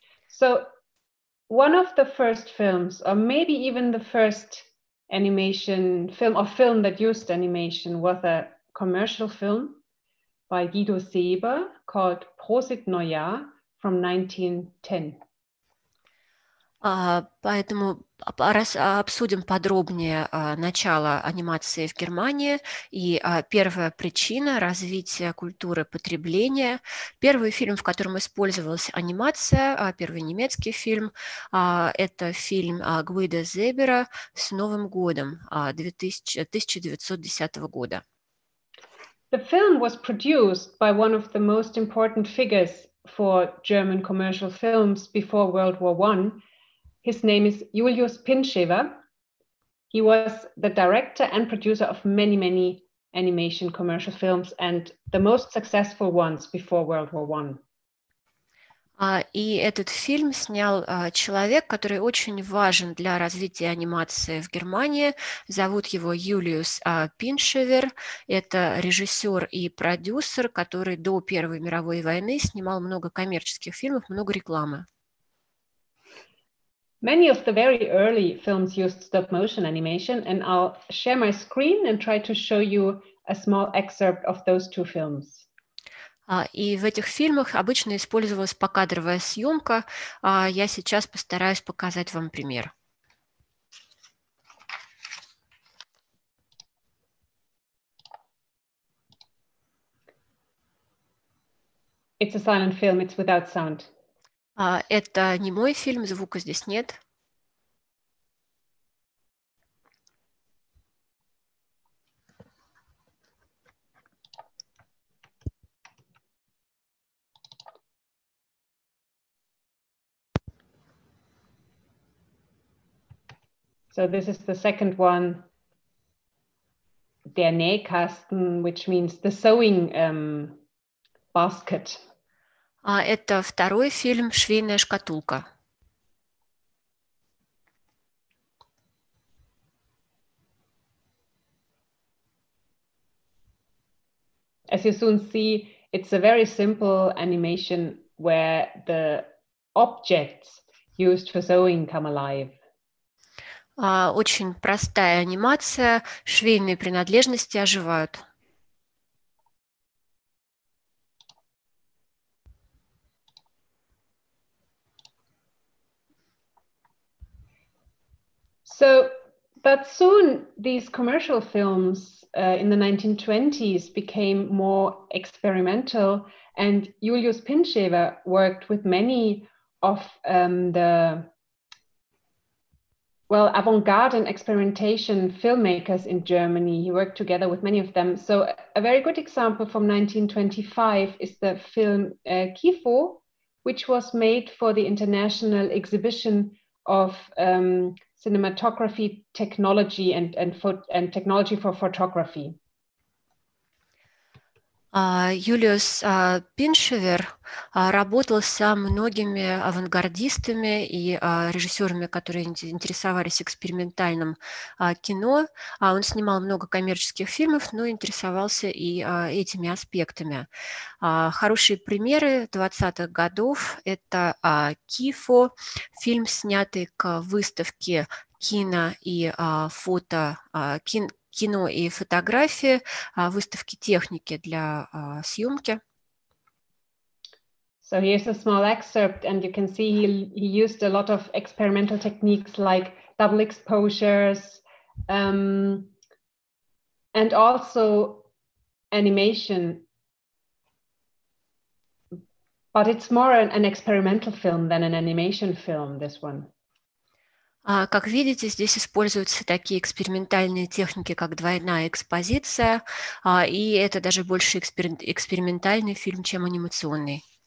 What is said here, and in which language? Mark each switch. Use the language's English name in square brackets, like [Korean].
[English] So one of the first films, or maybe even the first animation film or film that used animation, was a commercial film by Guido Seeber called Prosit Neujahr from 1910. [Russian] Поэтому обсудим подробнее начало анимации в Германии и первая причина развития культуры потребления. Первый фильм, в котором использовалась анимация, первый немецкий фильм, это фильм Гвида Зебера «С Новым годом» 1910 года. [English] The film was produced by one of the most important figures for German commercial films before World War I. His name is Julius Pinschewer. He was the director and producer of many, many animation commercial films and the most successful ones before World War I. [Russian] И этот фильм снял человек, который очень важен для развития анимации в Германии. Зовут его Юлиус Пиншевер. Это режиссер и продюсер, который до Первой мировой войны снимал много коммерческих фильмов, много рекламы. [English] Many of the very early films used stop motion animation, and I'll share my screen and try to show you a small excerpt of those two films. [Russian] И в этих фильмах обычно использовалась покадровая съемка. Я сейчас постараюсь показать вам пример. [English] It's a silent film, it's without sound. [Russian] Это не мой фильм, звука здесь нет. [English] So this is the second one, der Nähkasten, which means the sewing basket. [Russian] Это второй фильм «Швейная шкатулка». [English] As you soon see, it's a very simple animation where the objects used for sewing come alive. [Russian] Очень простая анимация, швейные принадлежности оживают. [English] So, but soon these commercial films in the 1920s became more experimental, and Julius Pinschewer worked with many of the well, avant-garde and experimentation filmmakers in Germany. He worked together with many of them. So a very good example from 1925 is the film Kifo, which was made for the International Exhibition of Cinematography Technology and Technology for Photography. [Russian] Юлиус Пиншевер работал со многими авангардистами и режиссерами, которые интересовались экспериментальным кино. Он снимал много коммерческих фильмов, но интересовался и этими аспектами. Хорошие примеры 20-х годов – это «Кифо», фильм, снятый к выставке кино и фото кино и фотографии, выставки техники для съемки. [English] So here's a small excerpt, and you can see he used a lot of experimental techniques like double exposures, and also animation. But it's more an experimental film than an animation film, this one. [Russian] Как видите, здесь используются такие экспериментальные техники, как двойная экспозиция, и это даже больше экспериментальный фильм, чем анимационный.